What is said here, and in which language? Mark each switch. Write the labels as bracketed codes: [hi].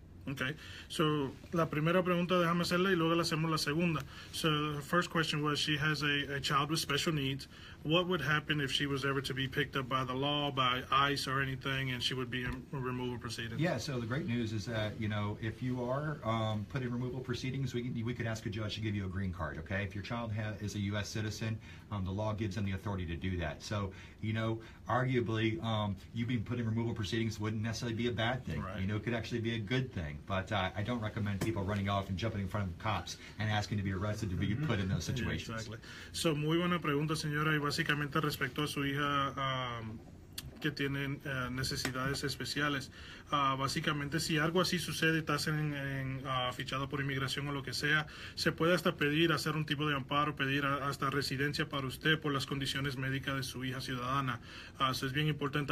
[es] Okay, so la primera pregunta déjame hacerla y luego la hacemos la segunda. [en] So the first question was, she has a child with special needs. What would happen if she was ever to be picked up by the law, by ICE or anything, and she would be in removal proceedings? Yeah, so the great news is that, you know, if you are put in removal proceedings, we could ask a judge to give you a green card, okay? If your child is a U.S. citizen, the law gives them the authority to do that. So, you know, arguably, you being put in removal proceedings wouldn't necessarily be a bad thing. Right. You know, it could actually be a good thing. But I don't recommend people running off and jumping in front of cops and asking to be arrested to be mm-hmm. put in those situations. Yeah, exactly. [es] So, muy buena pregunta, señora. Y básicamente respecto a su hija que tiene necesidades especiales. Básicamente, si algo así sucede, estás fichado por inmigración o lo que sea, se puede hasta pedir hacer un tipo de amparo, pedir hasta residencia para usted por las condiciones médicas de su hija ciudadana. Eso es bien importante.